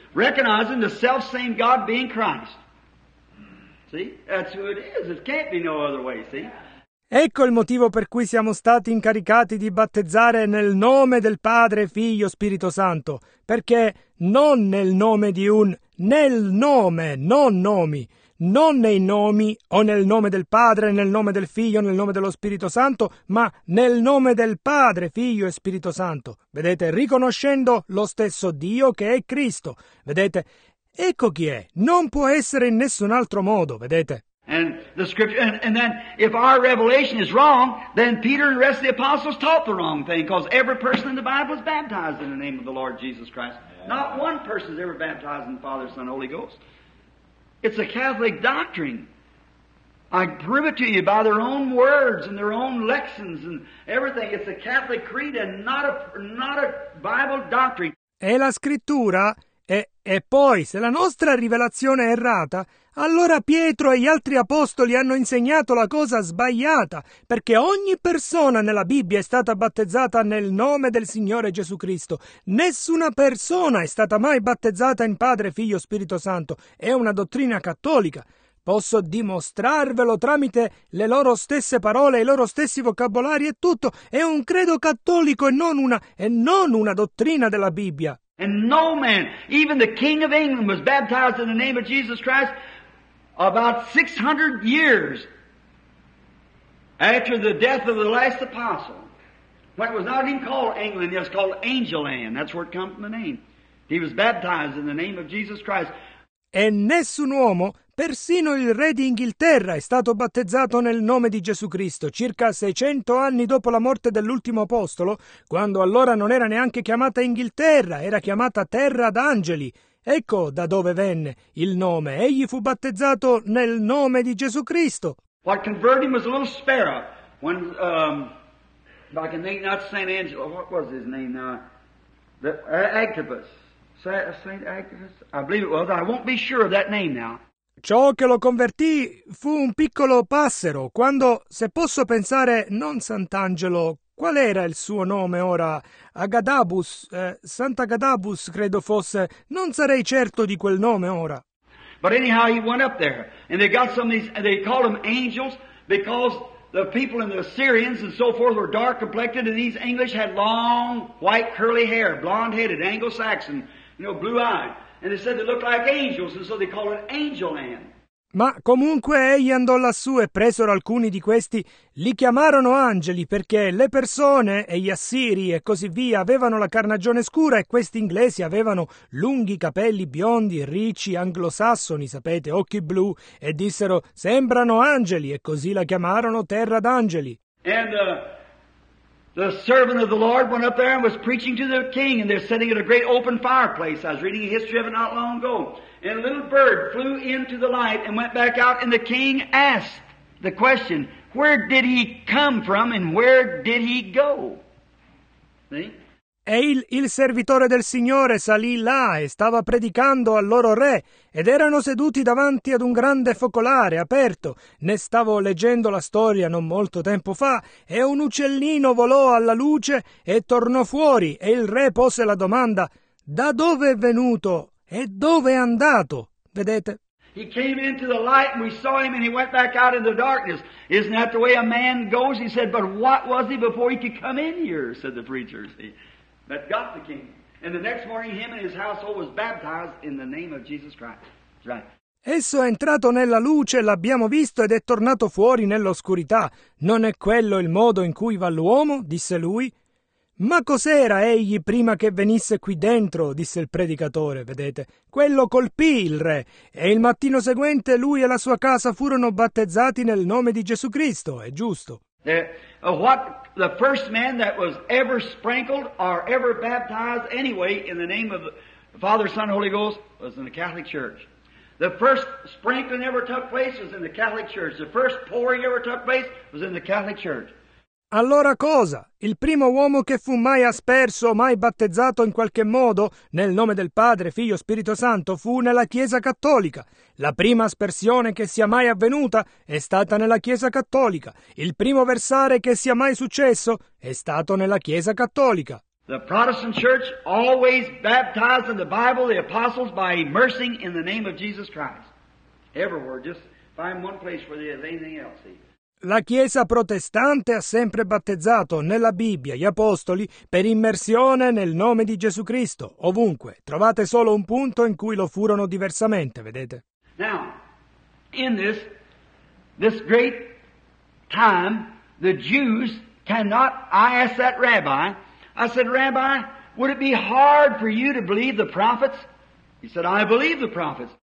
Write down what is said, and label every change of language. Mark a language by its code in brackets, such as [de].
[en] Recognizing the self-same God being Christ. See? That's who it is. It can't be no other way, see? [it] Ecco il motivo per cui siamo stati incaricati di battezzare nel nome del Padre, Figlio, Spirito Santo, perché non nel nome di un, nel nome, non nomi, non nei nomi o nel nome del Padre, nel nome del Figlio, nel nome dello Spirito Santo, ma nel nome del Padre, Figlio e Spirito Santo. Vedete, riconoscendo lo stesso Dio che è Cristo. Vedete, ecco chi è, non può essere in nessun altro modo, vedete. [en] And the scripture, and then if our revelation is wrong, then Peter and the rest of the apostles taught the wrong thing, because every person in the Bible is baptized in the name of the Lord Jesus Christ. Yeah. Not one person is ever baptized in the Father, Son, Holy Ghost. It's a Catholic doctrine. I prove it to you by their own words and their own lexicons and everything. It's a Catholic creed and not a Bible doctrine. [it] È la scrittura. E poi, se la nostra rivelazione è errata, allora Pietro e gli altri apostoli hanno insegnato la cosa sbagliata, perché ogni persona nella Bibbia è stata battezzata nel nome del Signore Gesù Cristo. Nessuna persona è stata mai battezzata in Padre, Figlio, Spirito Santo. È una dottrina cattolica. Posso dimostrarvelo tramite le loro stesse parole, i loro stessi vocabolari e tutto. È un credo cattolico e non una dottrina della Bibbia. [en] And no man, even the King of England, was baptized in the name of Jesus Christ about 600 years after the death of the last apostle. But it was not even called England, it was called Angeland. That's where it comes from the name. He was baptized in the name of Jesus Christ. [it] E nessun uomo, persino il re di Inghilterra, è stato battezzato nel nome di Gesù Cristo, circa 600 anni dopo la morte dell'ultimo apostolo, quando allora non era neanche chiamata Inghilterra, era chiamata Terra d'Angeli. Ecco da dove venne il nome. Egli fu battezzato nel nome di Gesù Cristo. [en] What converted him was a little sparrow. When, back in the name, not St. Angelo, what was his name now? Agabus. St. Agabus? I believe it was. I won't be sure of that name now. [it] Ciò che lo convertì fu un piccolo passero, quando, se posso pensare, non Sant'Angelo, qual era il suo nome ora? Agadabus, Sant'Agadabus credo fosse, non sarei certo di quel nome ora. [en] But anyhow he went up there, and they got some of these, they called them angels, because the people in the Assyrians and so forth were dark complected, and these English had long, white, curly hair, blonde-headed, Anglo-Saxon, you know, blue-eyed. And they said they looked like angels, and so they call it Angeland. [it] Ma comunque egli andò lassù e presero alcuni di questi, li chiamarono angeli perché le persone e gli assiri e così via avevano la carnagione scura e questi inglesi avevano lunghi capelli biondi, ricci, anglosassoni, sapete, occhi blu, e dissero sembrano angeli e così la chiamarono Terra d'Angeli. [en] And the servant of the Lord went up there and was preaching to the king, and they're sitting at a great open fireplace. I was reading a history of it not long ago. And a little bird flew into the light and went back out, and the king asked the question, where did he come from and where did he go? See? [it] E il servitore del Signore salì là e stava predicando al loro re, ed erano seduti davanti ad un grande focolare aperto. Ne stavo leggendo la storia non molto tempo fa, e un uccellino volò alla luce e tornò fuori, e il re pose la domanda, da dove è venuto e dove è andato? Vedete? [en] He came into the light and we saw him and he went back out in the darkness. Isn't that the way a man goes? He said, but what was he before he could come in here? Said the preacher. That got the king. And the next morning him and his household was baptized in the name of Jesus Christ. Right. [it] Esso è entrato nella luce, l'abbiamo visto, ed è tornato fuori nell'oscurità. Non è quello il modo in cui va l'uomo? Disse lui. Ma cos'era egli prima che venisse qui dentro? Disse il predicatore, vedete. Quello colpì il re, e il mattino seguente lui e la sua casa furono battezzati nel nome di Gesù Cristo, è giusto. [en] The first man that was ever sprinkled or ever baptized anyway in the name of the Father, Son, Holy Ghost was in the Catholic Church. The first sprinkling ever took place was in the Catholic Church. The first pouring ever took place was in the Catholic Church. [it] Allora cosa? Il primo uomo che fu mai asperso, mai battezzato in qualche modo, nel nome del Padre, Figlio, Spirito Santo, fu nella Chiesa Cattolica. La prima aspersione che sia mai avvenuta è stata nella Chiesa Cattolica. Il primo versare che sia mai successo è stato nella Chiesa Cattolica. [en] The Protestant Church always baptized in the Bible the apostles by immersing in the name of Jesus Christ. Everywhere, just find one place where there's anything else. [it] La Chiesa protestante ha sempre battezzato nella Bibbia gli apostoli per immersione nel nome di Gesù Cristo, ovunque. Trovate solo un punto in cui lo furono diversamente, vedete? [en] Now, in this great time, the Jews cannot, I asked that rabbi, I said, Rabbi, would it be hard for you to believe the prophets? He said, I believe the prophets.